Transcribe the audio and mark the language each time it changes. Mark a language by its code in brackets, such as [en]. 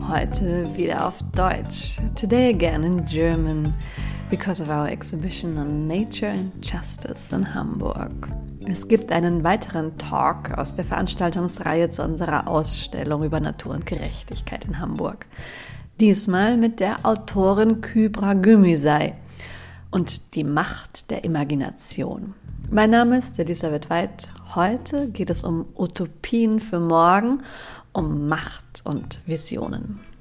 [de] Heute wieder auf Deutsch. [en] Today again in German, because of our exhibition on Nature and Justice in Hamburg. [de] Es gibt einen weiteren Talk aus der Veranstaltungsreihe zu unserer Ausstellung über Natur und Gerechtigkeit in Hamburg. Diesmal mit der Autorin Kübra Gümüşay und die Macht der Imagination. Mein Name ist Elisabeth Weidt. Heute geht es um Utopien für morgen, um Macht und Visionen.